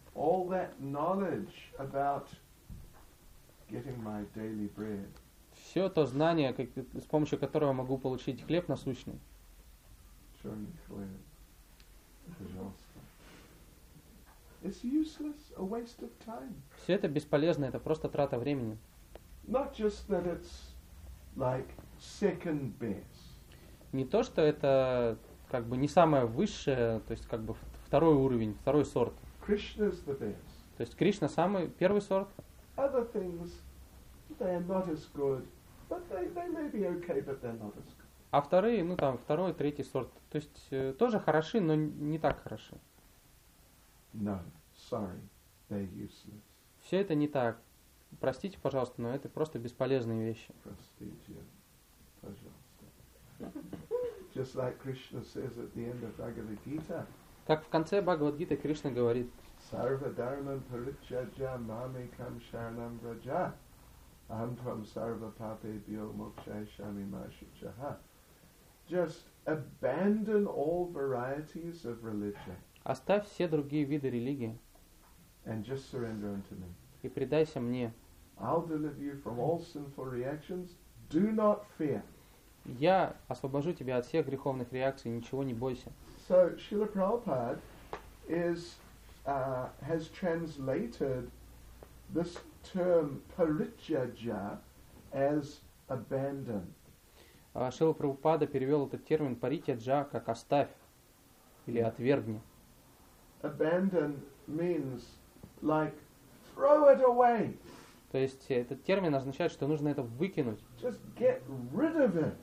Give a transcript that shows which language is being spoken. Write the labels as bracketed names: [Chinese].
[English] All that knowledge about getting my daily bread. [Russian] Все то знание, как, с помощью которого могу получить хлеб насущный. Черный хлеб. Пожалуйста. [English] It's useless, a waste of time. [Russian] Все это бесполезно, это просто трата времени. [English] Not just that it's like second best. [Russian] Не то, что это как бы не самое высшее, то есть как бы второй уровень, второй сорт. [English] Krishna is the best. [Russian] То есть Кришна самый первый сорт. [English] Other things, they are not as good. But they may be okay, but they're not as good. [Russian] А вторые, ну там, второй, третий сорт, то есть тоже хороши, но не так хороши. [English] No, sorry, they're useless. [Russian] Все это не так. Простите, пожалуйста, но это просто бесполезные вещи. Простите, пожалуйста. [English] Just like Krishna says at the end of Bhagavad Gita. [Russian] Как в конце Бхагавад Гиты Кришна говорит. [Sanskrit] Sarva dharman parichaja mami kam sharanam raja. Aham tvam sarva pape bhyo mokshay shami mashichaha. [English] Just abandon all varieties of religion. [Russian] Оставь все другие виды религии. [English] And just surrender unto me. [Russian] И предайся мне. [English] I'll deliver you from all sinful reactions. Do not fear. [Russian] Я освобожу тебя от всех греховных реакций, ничего не бойся. [English] So Srila Prabhupada has translated this term parichaja as abandon. [Russian] Шрила Прабхупада перевел этот термин парityaja как оставь или отвергни. [English] Abandon means like throw it away. [Russian] То есть этот термин означает, что нужно это выкинуть. [English] Just get rid of it.